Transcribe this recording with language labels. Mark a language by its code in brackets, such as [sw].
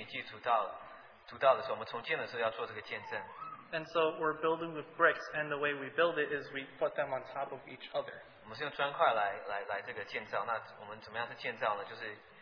[zh] 那我们这个在尼希米记读到的时候，我们重建的时候要做这个见证。 [en] And so we're building with bricks, and the way we build it is we put them on top of each other. [zh] 我们是用砖块来这个建造，那我们怎么样去建造呢？就是